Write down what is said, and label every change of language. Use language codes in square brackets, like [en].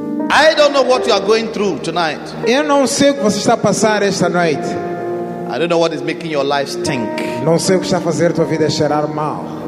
[en] I don't know what you are going through tonight. [pt] Eu não sei o que você está a passar esta noite. [en] I don't know what is making your life stink. [pt] Não sei o que está a fazer tua vida cheirar mal.